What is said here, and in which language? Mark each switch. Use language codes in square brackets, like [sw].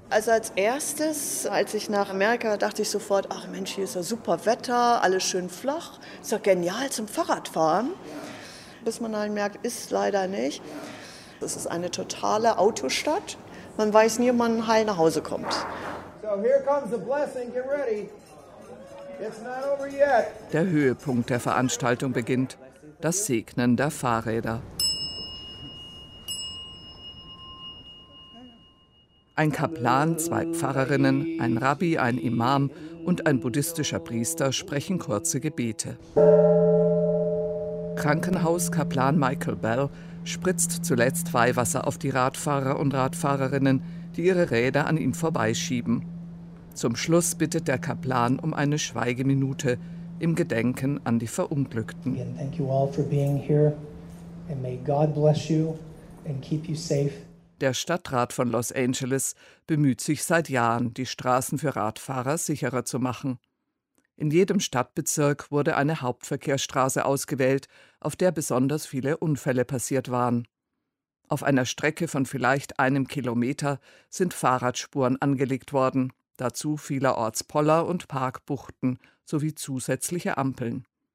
[de] Also als erstes, als ich nach Amerika war, dachte ich sofort, ach Mensch, hier ist ja super Wetter, alles schön flach, ist doch genial zum Fahrradfahren. Bis man dann merkt, ist leider nicht. Das ist eine totale Autostadt. Man weiß nie, ob man heil nach Hause kommt. [en] So here comes the blessing, get ready. It's not over yet. [de] Der Höhepunkt der Veranstaltung beginnt, das Segnen der Fahrräder. Ein Kaplan, zwei Pfarrerinnen, ein Rabbi, ein Imam und ein buddhistischer Priester sprechen kurze Gebete. Krankenhauskaplan Michael Bell spritzt zuletzt Weihwasser auf die Radfahrer und Radfahrerinnen, die ihre Räder an ihm vorbeischieben. Zum Schluss bittet der Kaplan um eine Schweigeminute im Gedenken an die Verunglückten. [en] Thank you all for being here and may God bless you and keep you safe. [de] Der Stadtrat von Los Angeles bemüht sich seit Jahren, die Straßen für Radfahrer sicherer zu machen. In jedem Stadtbezirk wurde eine Hauptverkehrsstraße ausgewählt, auf der besonders viele Unfälle passiert waren. Auf einer Strecke von vielleicht 1 Kilometer sind Fahrradspuren angelegt worden, dazu vielerorts Poller und Parkbuchten sowie zusätzliche Ampeln.